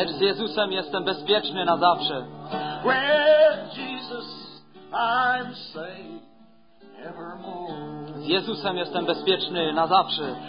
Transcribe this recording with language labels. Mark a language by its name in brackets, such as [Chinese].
[Polish] Lecz z Jezusem jestem bezpieczny na zawsze. [English] With Jesus I'm safe evermore. [Polish] Z Jezusem jestem bezpieczny na zawsze.